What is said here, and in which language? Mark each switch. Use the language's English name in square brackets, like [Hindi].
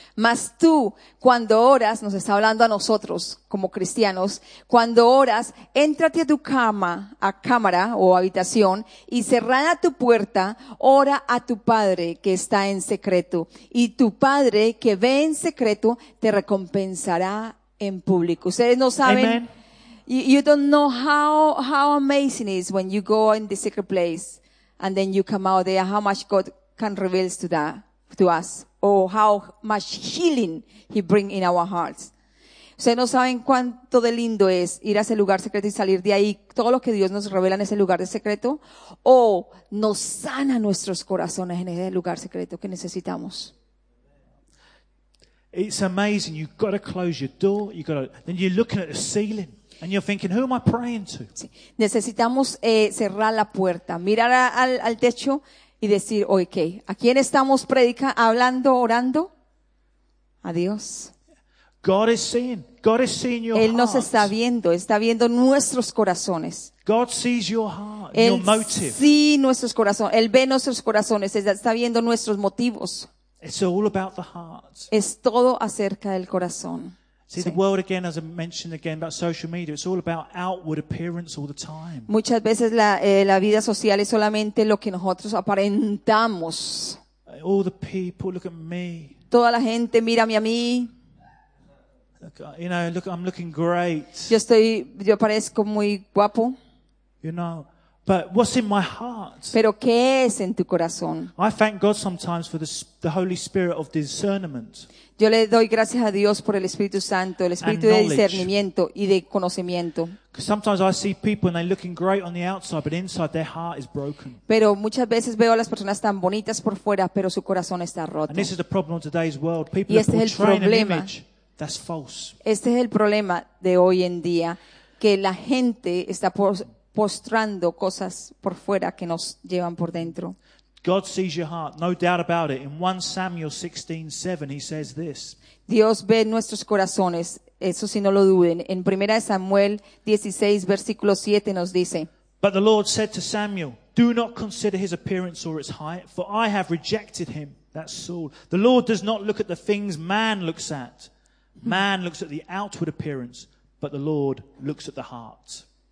[Spanish] Mas tú, cuando oras, nos está hablando a nosotros como cristianos, cuando oras, éntrate a tu cama, a cámara o habitación, y cerrada tu puerta, ora a tu padre que está en secreto. Y tu padre que ve en secreto, te recompensará en público. Ustedes no saben. [English] You don't know how amazing it is when you go in the secret place. And then you come out there, how much God can reveal to that to us, or how much healing He brings in our hearts. [Spanish] Ustedes no saben cuánto de lindo es ir a ese lugar secreto y salir de ahí, todo lo que Dios nos revela en ese lugar de secreto, o nos sana nuestros corazones en ese lugar secreto que necesitamos. [English] It's amazing. You've got to close your door. You've got to, then you're looking at the ceiling and you're thinking, who am I praying to? [Spanish] Sí. Necesitamos cerrar la puerta, mirar al techo y decir, okay, ¿a quién estamos hablando, orando? A Dios. [English] God is seeing your heart. [Spanish] Él nos está viendo nuestros corazones. [English] God sees your heart, your motive. [Spanish] Él sí nuestros corazones. Él ve nuestros corazones. Está viendo nuestros motivos. [English] It's all about the heart. [Spanish] Es todo acerca del corazón. [English] See, the world again, as I mentioned again about social media, it's all about outward appearance all the time. [Spanish] Muchas veces la vida social es solamente lo que nosotros aparentamos. [English] All the people look at me. [Spanish] Toda la gente mírame a mí. [English] You know, look, I'm looking great. [Spanish] Yo parezco muy guapo. [English] You know, but what's in my heart? [Spanish] Pero ¿qué es en tu corazón? [English] I thank God sometimes for the Holy Spirit of discernment. [Spanish] Yo le doy gracias a Dios por el Espíritu Santo, el Espíritu de discernimiento y de conocimiento. [English] Because sometimes I see people and they're looking great on the outside, but inside their heart is broken. [Spanish] Pero muchas veces veo a las personas tan bonitas por fuera, pero su corazón está roto. [English] And this is the problem of today's world. People are portraying an image. That's false. [Spanish] Este es el problema de hoy en día, que la gente está postrando cosas por fuera que nos llevan por dentro. [English] God sees your heart, no doubt about it. In 1 Samuel 16:7, he says this. [Spanish] Dios ve nuestros corazones, eso sí no lo duden. En 1 Samuel 16, versículo 7 nos dice. [English] But the Lord said to Samuel, do not consider his appearance or its height, for I have rejected him, that Saul. The Lord does not look at the things man looks at. Man looks at the outward appearance, but the Lord looks at the heart.